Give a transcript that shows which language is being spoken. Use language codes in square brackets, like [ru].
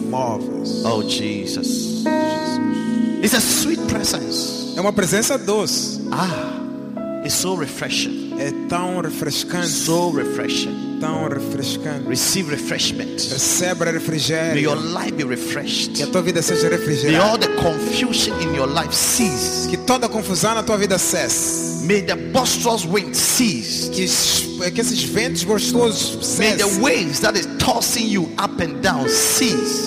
[en] Oh Jesus. Jesus. It's a sweet presence. [pt] É uma presença doce. [en] Ah. It's so refreshing. [pt] É tão refrescante. [en] So refreshing. [pt] Tão refrescante. [en] Receive refreshment. [pt] Receba refrigério. [en] May your life be refreshed. [pt] Que a tua vida seja refrigerada. [en] May all the confusion in your life cease. [pt] Que toda a confusão na tua vida cesse. [en] May the boisterous wind cease. [pt] Que esses ventos boisterosos cessem. [en] May the waves that is tossing you up and down cease.